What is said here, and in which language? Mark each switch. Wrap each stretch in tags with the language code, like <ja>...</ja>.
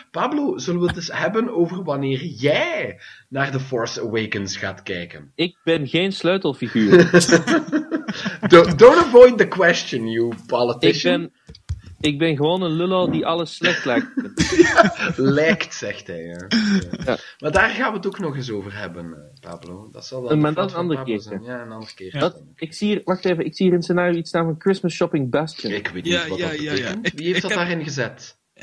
<nl>Pablo, zullen we het eens hebben over wanneer jij naar The Force Awakens gaat kijken? Ik ben geen sleutelfiguur.</nl> <en>don't avoid the question, you politician.</en> <nl>Ik ben gewoon een lullo die alles slecht lijkt. Lijkt, zegt hij. Ja. Maar daar gaan we het ook nog eens over hebben, Pablo. Dat zal wel een andere keer zijn. Ja, een andere keer. Ik zie hier in het scenario iets staan van Christmas Shopping Bastion. Ik weet niet wat dat betekent. Wie heeft dat daarin gezet?</nl>